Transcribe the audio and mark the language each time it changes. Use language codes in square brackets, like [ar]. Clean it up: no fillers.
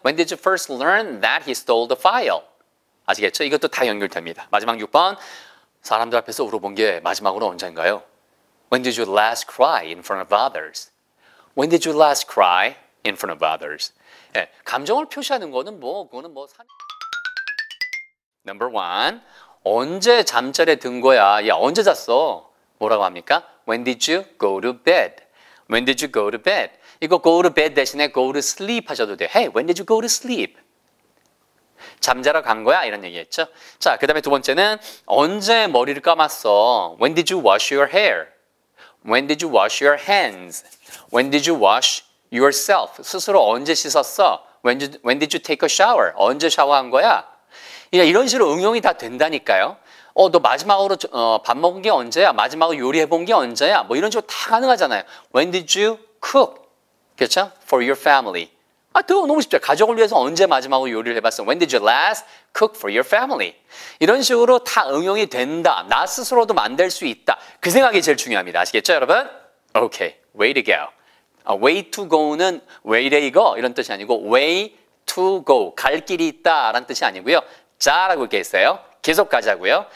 [en] When did you first learn that he stole the file? [ko] 아시겠죠? 이것도 다 연결됩니다. 마지막 6번, 사람들 앞에서 울어본 게 마지막으로 언젠가요? [en] When did you last cry in front of others? When did you last cry in front of others? [ko] 예, 감정을 표시하는 거는 뭐, 그거는 뭐... [en] Number one, [ko] 언제 잠자리에 든 거야? 야, 언제 잤어? 뭐라고 합니까? [en] When did you go to bed? When did you go to bed? [ko] 이거 [en] go to bed [ko] 대신에 [en] go to sleep [ko] 하셔도 돼요. [en] Hey, when did you go to sleep? [ko] 잠자러 간 거야? 이런 얘기했죠. 자, 그 다음에 두 번째는 언제 머리를 감았어? [en] When did you wash your hair? When did you wash your hands? When did you wash yourself? [ko] 스스로 언제 씻었어? [en] When did you take a shower? [ko] 언제 샤워한 거야? 이런 식으로 응용이 다 된다니까요. 너 마지막으로 밥 먹은 게 언제야? 마지막으로 요리해본 게 언제야? 뭐 이런 식으로 다 가능하잖아요. [en] When did you cook? [ko] 그렇죠? [en] For your family. [ko] 아, 더 너무 쉽죠. 가족을 위해서 언제 마지막으로 요리를 해봤어? [en] When did you last cook for your family? [ko] 이런 식으로 다 응용이 된다. 나 스스로도 만들 수 있다. 그 생각이 제일 중요합니다. 아시겠죠, 여러분? [en] Okay, way to go. [ko] Way to go는 where to go 이런 뜻이 아니고 way to go, 갈 길이 있다라는 뜻이 아니고요. 자라고 이렇게 했어요. 계속 가자고요.